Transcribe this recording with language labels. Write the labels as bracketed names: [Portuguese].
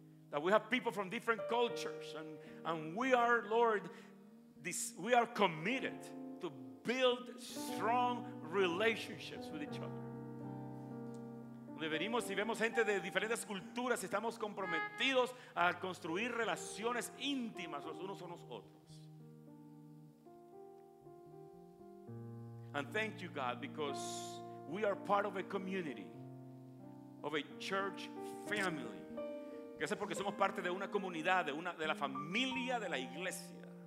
[English] That we have people from different cultures and we are, Lord, this, we are committed to build strong relationships with each other. [Spanish] Donde venimos y vemos gente de diferentes culturas, estamos comprometidos a construir relaciones íntimas los unos con los otros. [English] And thank you, God, because we are part of a community, of a church family. [Spanish] Gracias porque somos parte de una comunidad, de una de la familia de la iglesia.